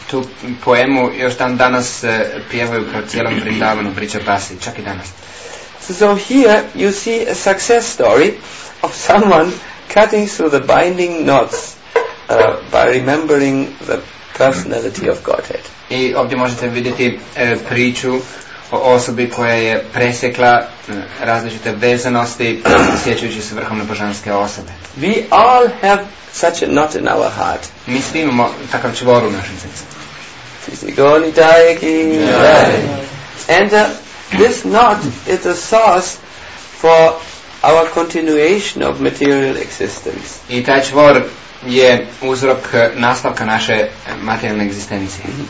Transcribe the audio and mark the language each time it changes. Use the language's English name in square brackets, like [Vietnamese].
[Croatian] Tu poemu još dan danas pjevaju po cijelom Vrindavanu, Brijbasi, čak i danas. [English] So here you see a success story of someone cutting through the binding knots by remembering the personality of Godhead. [Croatian] I ovdje možete vidjeti priču o osobi koja je presjekla različite vezanosti sjećajući se vrhovne božanske osobe. [English] We all have such a knot in our heart. [Croatian] Mi svi imamo takav čvor u našem srcu. Fizigoni dajeki. [English] And this knot is a source for our continuation of material existence. [Croatian] I taj čvor je uzrok nastavka naše materijalne egzistencije.